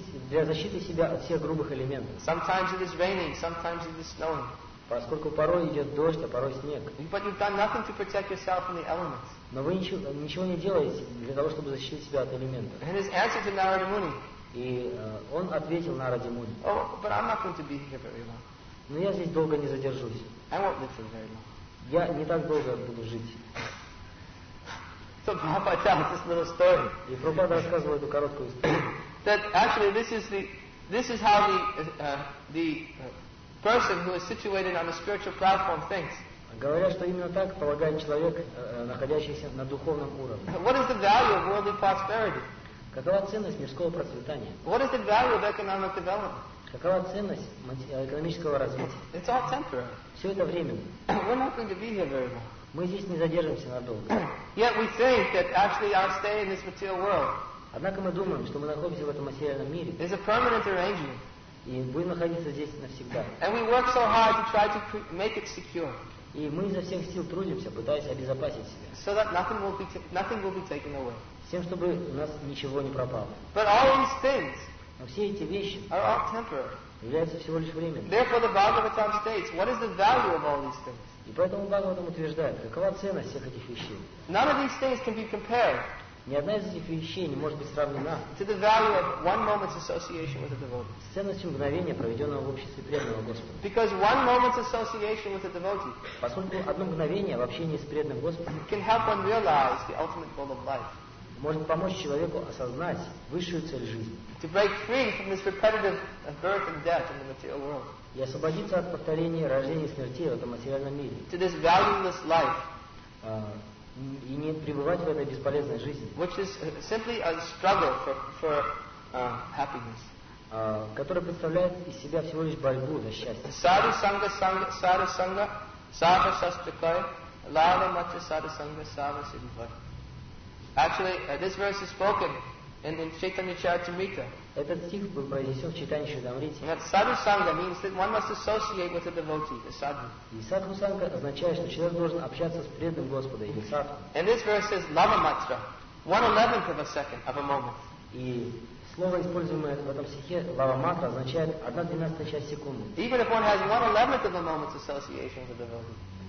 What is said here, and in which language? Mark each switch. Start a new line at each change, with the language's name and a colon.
Russian: Для защиты себя от всех грубых элементов.
English: Sometimes it is raining, sometimes it is snowing.
Russian: Поскольку порой идет дождь, а порой снег.
English: But you've done nothing to protect yourself from the elements.
Russian: Но вы ничего не делаете для того, чтобы защитить себя от элементов.
English: And his answer to Narada Muni.
Russian: И он ответил Нараде Муни.
English: Oh, but I'm not going to be here very long.
Russian: Но я здесь долго не задержусь.
English: I won't live for very long.
Russian: Я не так долго буду жить.
English: So Prabhupada tells this little story.
Russian: И Прабхупада рассказывал эту короткую историю.
English: That actually this is how the person who is situated on a spiritual platform thinks.
Russian: Говоря, что именно так полагает человек, находящийся на духовном уровне.
English: What is the value of worldly prosperity?
Russian: Какова ценность мирского процветания?
English: What is the value of economic development?
Russian: Какова ценность экономического развития?
English: It's all temporary.
Russian: Все это временно.
English: We're not going to be here very long.
Russian: Мы здесь не задержимся надолго.
English: Yet we think that actually our stay in this material world.
Russian: Однако мы думаем, что мы находимся в этом материальном мире.
English: It's a permanent arrangement.
Russian: И будем находиться здесь навсегда.
English: And we work so hard to try to make it secure.
Russian: И мы изо всех сил трудимся, пытаясь обезопасить себя.
English: So that nothing will be taken away.
Russian: С тем, чтобы у нас ничего не пропало.
English: But all these things.
Russian: Но все эти вещи.
English: Are all temporary.
Russian: Являются всего лишь временными.
English: Therefore, the Bhagavatam states, what is the value of all these things?
Russian: И поэтому Бхагаватам утверждает, какова ценность всех этих вещей?
English: None of these things can be compared.
Russian: Ни одна из этих вещей не может быть сравнена
English: to the value of one moment's association with a devotee.
Russian: С ценностью мгновения, проведенного в обществе преданного Господа.
English: Because one moment's association with a devotee,
Russian: поскольку одно мгновение в общении с преданным Господом,
English: can help one realize the ultimate goal of life.
Russian: Может помочь человеку осознать высшую цель жизни.
English: To break free from this repetitive birth and death in the material world.
Russian: И освободиться от повторения рождения и смерти в этом материальном мире.
English: To this valueless life.
Russian: И не пребывать в этой бесполезной жизни,
English: which is simply a struggle for happiness,
Russian: которая представляет из себя всего лишь борьбу за счастье.
Sanskrit: Sadhu sangha sadhu sangha sadhu sastakai lala matcha sadhu sangha sadhu siddhivai.
English: Actually, this verse is spoken in Chaitanya Charitamrita.
Russian: Этот стих был произнесен в Чайтанья Чаритамрите.
English: Sadhu sangha means that one must associate with a devotee, a sadhu.
Russian: И sadhu sangha означает, что человек должен общаться с преданным Господом, или sadhu.
English: And this verse says lava matra, 1/11 of a second, of a moment.
Russian: И слово, используемое в этом стихе lava matra, означает 1/12 часть секунды.
English: Even if one has 1/11 of a moment's association with a devotee.